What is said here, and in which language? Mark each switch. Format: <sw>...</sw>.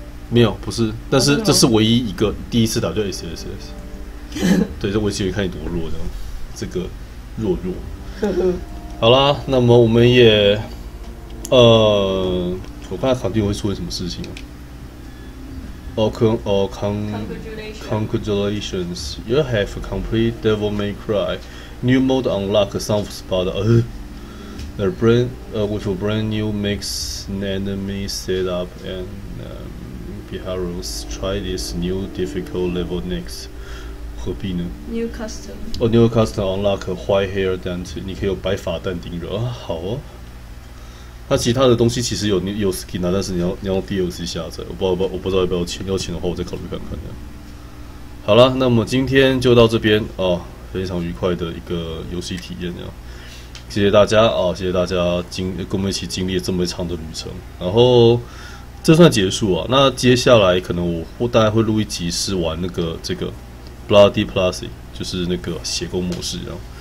<zh>没有，不是，但是这是唯一一个第一次打就 SSS。对，这我其实看你多弱这样，这个弱。好啦，那么我们也，我看肯定会出现什么事情啊。</zh> <en>Congratulations, you have complete Devil May Cry. New mode unlock some spot. With a brand new mix and enemy setup and Biharos, try this new difficult level next.</en> <zh>何必呢</zh> <en>？New custom. New custom unlock white hair dante.</en> <zh>你可以有白发但丁了、啊、好哦。它其他的东西其实有 skin 啊，但是你要用 DLC 下载，我不知道要不要钱，要钱的话我再考虑看看的。好啦，那么今天就到这边哦，非常愉快的一个游戏体验，谢谢大家哦，谢谢大家跟我们一起经历这么长的旅程，然后这算结束啊，那接下来可能我大概会录一集是玩那个这个 Bloody Plus， 就是那个血攻模式这样。</zh>